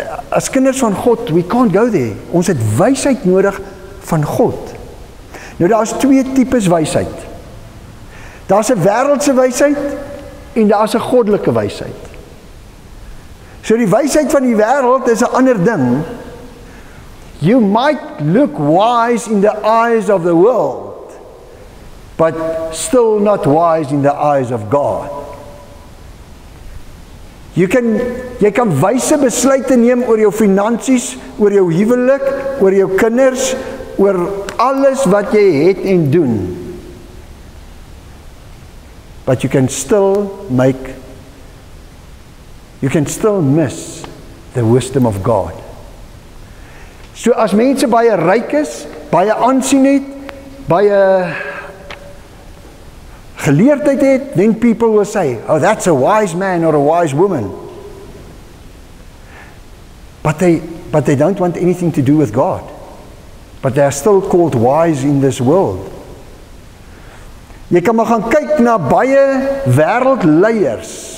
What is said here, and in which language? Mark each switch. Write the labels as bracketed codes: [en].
[af] As kinders van God, [en] we can't go there. [af] Ons het wysheid nodig van God. Nou daar is twee types wysheid. Daar is 'n wêreldse wysheid en daar is 'n goddelike wysheid. So die wysheid van die wêreld is 'n ander ding. [en] You might look wise in the eyes of the world, but still not wise in the eyes of God. [af] Jy kan wyse besluite neem oor jou finansies, oor jou huwelik, oor jou kinders, oor alles wat jy het en doen. [en] But you can still miss the wisdom of God. [af] So as mense baie ryk is, baie aansien het, baie geleerdheid het, [en] then people will say, oh, that's a wise man or a wise woman. But they don't want anything to do with God. But they are still called wise in this world. [af] Jy kan maar gaan kyk na baie wêreldleiers.